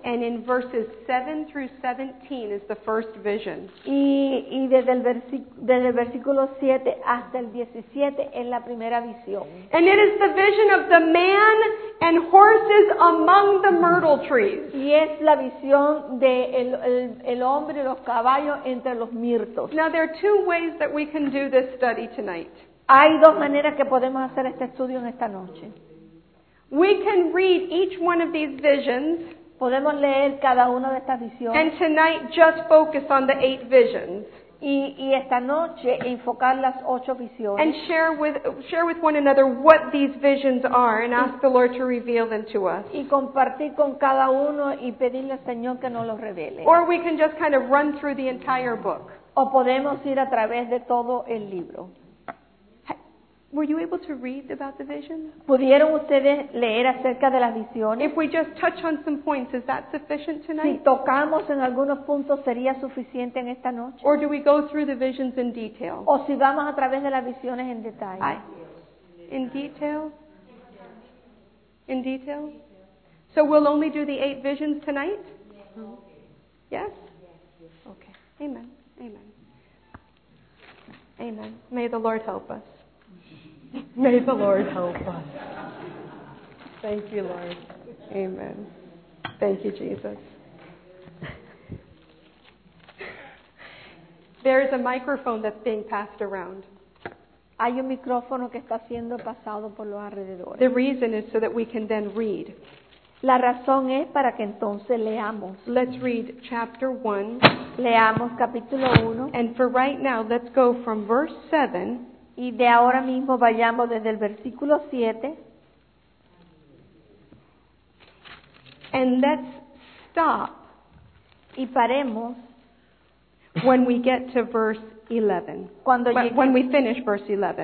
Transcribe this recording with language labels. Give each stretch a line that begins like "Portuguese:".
English: and in verses 7 through 17 is the first vision.
Spanish: Y desde el versículo 7 hasta el 17 es la primera visión.
English: And it is the vision of the man and horses among the myrtle trees.
Spanish: Y es la visión de el hombre y los caballos entre los mirtos.
English: Now there are two ways that we can do this study tonight.
Spanish: Hay dos maneras que podemos hacer este estudio en esta noche.
English: We can read each one of these visions.
Spanish: Podemos leer cada una de estas visiones.
English: And tonight just focus on the 8 visions.
Spanish: Y esta noche enfocar las 8 visiones.
English: And share with one another what these visions are and ask the Lord to reveal them to us.
Spanish: Y compartir con cada uno y pedirle al Señor que nos los revele.
English: Or we can just kind of run through the entire book.
Spanish: O podemos ir a través de todo el libro.
English: Were you able to read about the vision?
Spanish: ¿Pudieron ustedes leer acerca de las visiones?
English: If we just touch on some points, is that sufficient tonight?
Spanish: Si tocamos en algunos puntos, ¿sería suficiente en esta noche?
English: Or do we go through the visions in detail?
Spanish: ¿O si vamos a través de las visiones en detalle?
English: In detail? In detail? So we'll only do the 8 visions tonight? Yes? Okay. Amen. Amen. Amen. May the Lord help us. Mm-hmm. May the Lord help us. Thank you, Lord. Amen. Thank you, Jesus. There is a microphone that's being passed around.
Spanish: Hay un micrófono que está siendo pasado por los alrededores.
English: The reason is so that we can then read.
Spanish: La razón es para que entonces leamos.
English: Let's read chapter 1.
Spanish: Leamos capítulo 1.
English: And for right now, let's go from verse 7.
Spanish: Y de ahora mismo vayamos desde el versículo 7.
English: And let's stop.
Spanish: Y paremos.
English: When we get to verse 11. When we finish verse 11.